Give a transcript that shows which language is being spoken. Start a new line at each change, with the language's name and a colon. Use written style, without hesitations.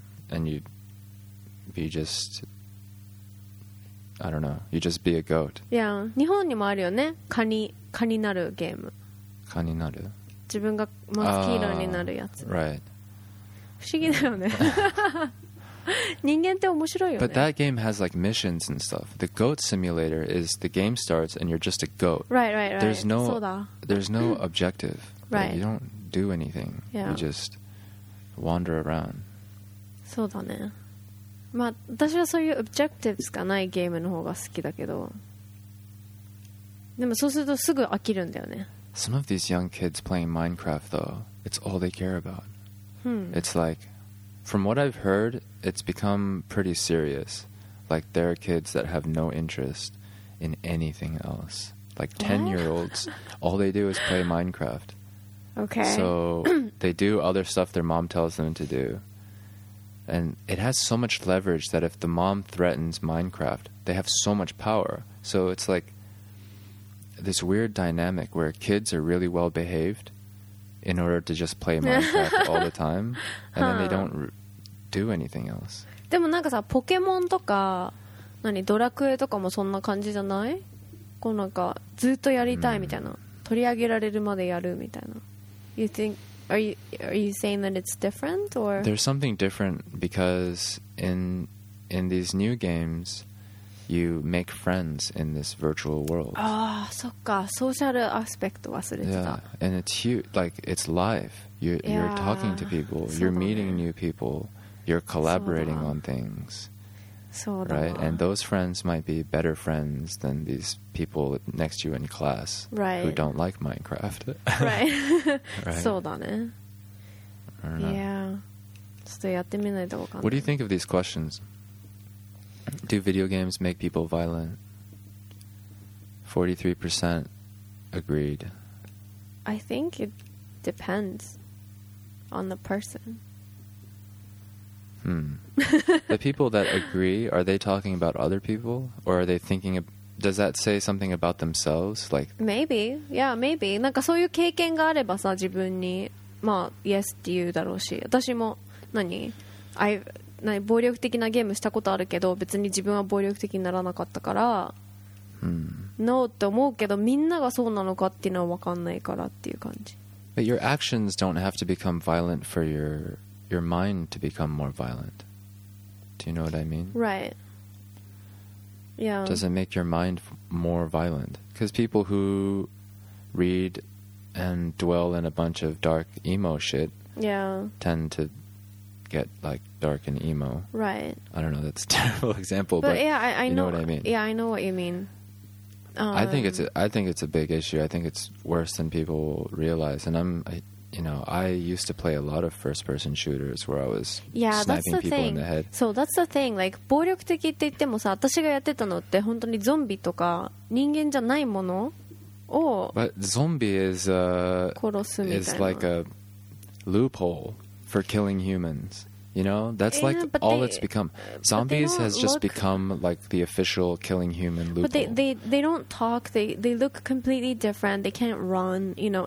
English: And you just... I don't know. You just be a goat.
Japanese: Yeah, 日本にもあるよね。カニなるゲーム。蚊になる自分がマスキーラーになるやつ、
English: right.
Japanese: 不思議だよね人間って面白いよね
English: But that game has like missions and stuff The goat simulator is the game starts and you're just a goat Right There's no,
Japanese: そうだ
English: There's no objective Right You don't do anything、 yeah. You just wander around
Japanese: そうだねまあ私はそういう objectives がないゲームの方が好きだけどでもそうするとすぐ飽きるんだよね
English: Some of these young kids playing Minecraft, though, it's all they care about. It's like, from what I've heard, it's become pretty serious. Like, there are kids that have no interest in anything else. Like, 10-year-olds, all they do is play Minecraft. Okay. So, they do other stuff their mom tells them to do. And it has so much leverage that if the mom threatens Minecraft, they have so much power. So it's like this weird dynamic where kids are really well behaved in order to just play Minecraft all the time. And then they don't do anything else.
Japanese: でもなんかさ、ポケモンとか、何、ドラクエとかもそんな感じじゃない？こうなんか、ずっとやりたいみたいな。取り上げられるまでやるみたいな。
English: You think, are you saying that it's different or? There's something different because in these new games, you make friends in this virtual world.
Japanese: ああ、そっか。ソーシャルアスペクト忘れてた。
English: Yeah, and it's huge, like, it's live. You're talking to people, you're meeting new people. You're collaborating on things, right? And those friends might be better friends than these people next to you in class, right? Who don't like Minecraft, right?
Japanese: そうだね。
English: I don't know.
Japanese: Yeah, ちょっとやってみないとわかんない。
English: What do you think of these questions? Do video games make people violent? 43% agreed. I think it depends on the person. The people that agree, are they talking about other people? Or are they thinking, does that say something about themselves? Like, maybe, yeah, maybe.
Japanese: なんかそういう経験があればさ、自分に、まあ、yes って言うだろうし、私も、何、暴力的なゲームしたことあるけど、別に自分は暴力的にならなかったから、no って思うけど、みんながそうなのかっていうのは分かんないからっていう感じ。
English: But your actions don't have to become violent for your mind to become more violent. Do you know what I mean? Right. Yeah. Does it make your mind more violent? Because people who read and dwell in a bunch of dark emo shit tend to get like dark and emo. Right. I don't know, that's a terrible example, but yeah, I know what I mean. Yeah, I know what you mean. I think it's a big issue. I think it's worse than people realize. And you know, I used to play a lot of first-person shooters where I was sniping people in the head. So that's the thing.
Japanese: Like, 暴力的って言ってもさ、私がやってたのって本当にゾンビとか人間じゃないものを。
English: But zombie is like a loophole for killing humans. You know, that's like all it's become. Zombies has just become like the official killing human loophole. But they don't talk. They look completely different. They can't run, you know.